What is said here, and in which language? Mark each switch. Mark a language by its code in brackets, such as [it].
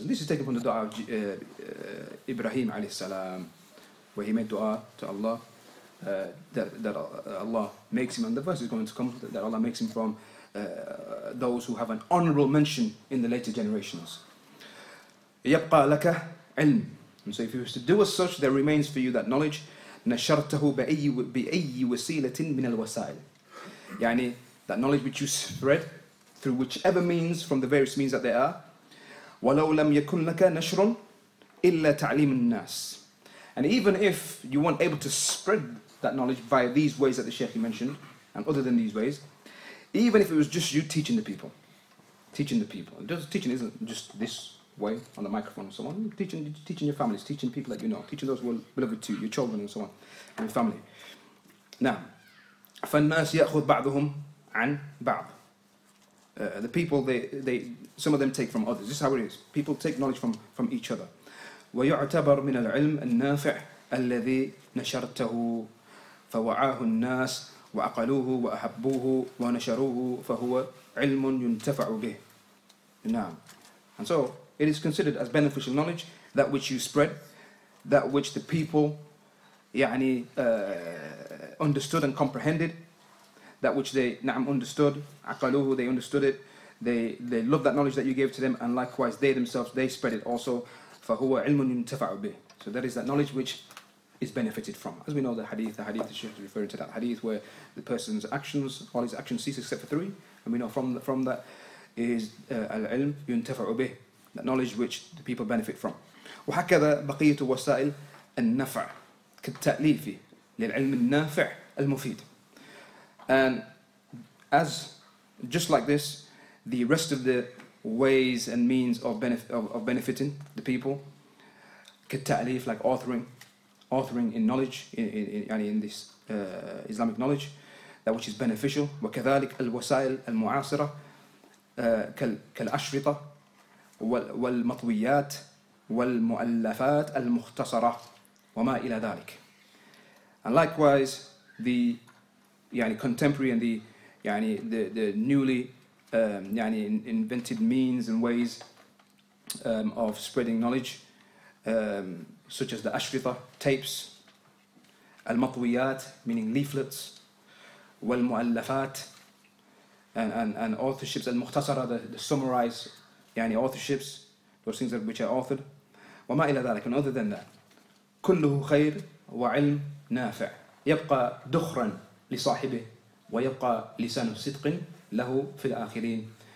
[en] And this is taken from the dua of Ibrahim [ar] عليه السلام, [en] where he made dua to Allah, that Allah makes him, and the verse is going to come, that Allah makes him from those who have an honorable mention in the later generations. [ar] يبقى لك علم. [en] And so if you were to do as such, there remains for you that knowledge. [ar] نشرته بأي وسيلة من الوسائل. [en] يعني that knowledge which you spread through whichever means from the various means that there are. [ar] ولو لم يكن لك نشر إلا تعليم الناس. [en] And even if you weren't able to spread that knowledge via these ways that the Sheikh mentioned, and other than these ways, even if it was just you teaching the people. Just teaching isn't just this way on the microphone and so on, teaching your families, teaching people that you know, teaching those who are beloved to you, your children and so on, and your family. [ar] Now, فالناس يأخذ بعضهم عن بعض. [en] The people, they some of them take from others. This is how it is. People take knowledge from each other. [ar] ويعتبر من العلم النافع الذي نشرته فوعاه الناس وأقلوه وأحبوه ونشروه فهو علم ينتفع به. [en] Now, and so it is considered as beneficial knowledge that which you spread, that which the people يعني understood and comprehended, that which they نعم understood, عقلوه, they understood it, they loved that knowledge that you gave to them, and likewise they themselves, they spread it also. [ar] فهو علم ينتفع به. [en] So that is that knowledge which is benefited from. As we know, the hadith, the Sheikh is referring to that hadith where the person's actions, all his actions cease except for three. And we know from that is [ar] al-ilm yuntafa bih, [en] that knowledge which the people benefit from. [ar] وحكذا بقية وسائل النفع كالتأليف للعلم النافع المفيد. [en] And as just like this, the rest of the ways and means of benefiting the people, كالتأليف, like authoring in knowledge, in this Islamic knowledge, that which is beneficial. [ar] وكذلك الوسائل المعاصرة كالأشرطة والمطويات والمؤلفات المختصرة وما إلى ذلك. [en] And likewise, the يعني contemporary and the يعني the newly يعني invented means and ways of spreading knowledge, such as the أشرطة, tapes, المطويات, meaning leaflets, والمؤلفات, and authorships, المختصرة, the summarized, يعني authorships, those things which are authored, [ar] وما إلى ذلك, [en] and other than that, [ar] كله خير وعلم نافع. يبقى دخرا لصاحبه ويبقى لسان صدق له في الآخرين.